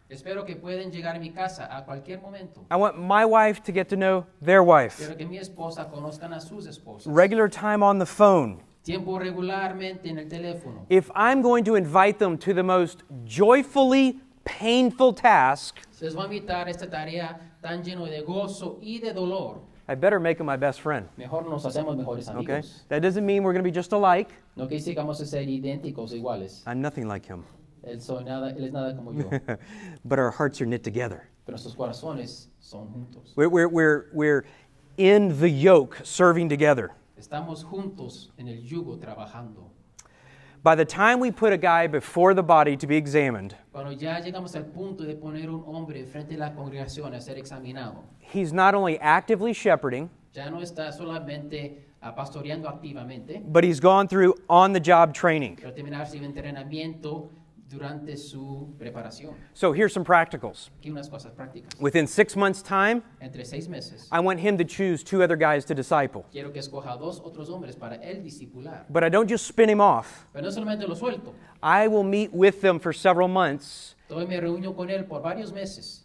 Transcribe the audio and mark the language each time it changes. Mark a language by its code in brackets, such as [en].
[es] Espero que pueden llegar a mi casa a cualquier momento. [en] I want my wife to get to know their wife. [es] Quiero que mi esposa conozcan a sus esposas. [en] Regular time on the phone. [es] Tiempo regularmente en el teléfono. [en] If I'm going to invite them to the most joyfully painful task, [es] se les va a invitar a esta tarea tan lleno de gozo y de dolor, [en] I better make him my best friend. [es] Mejor nos hacemos mejores amigos. [en] Okay? That doesn't mean we're going to be just alike. [es] No quiere decir que vamos a ser idénticos, iguales. [en] I'm nothing like him. [es] Él es nada como yo. [en] But our hearts are knit together. [es] Pero nuestros corazones son juntos. [en] We're in the yoke serving together. [es] Estamos juntos en el yugo trabajando. [en] By the time we put a guy before the body to be examined, [es] cuando ya llegamos al punto de poner un hombre frente a la congregación a ser examinado, [en] he's not only actively shepherding, [es] ya no está solamente pastoreando activamente, [en] but he's gone through on-the-job training. [es] Pero terminar su entrenamiento durante su preparación. [en] So here's some practicals. [es] Aquí unas cosas prácticas. [en] Within 6 months' time, [es] entre seis meses, [en] I want him to choose two other guys to disciple. [es] Quiero que escoja dos otros hombres para él discipular. [en] But I don't just spin him off. [es] Pero no solamente lo suelto. [en] I will meet with them for several months. [es] Todavía me reúno con él por varios meses.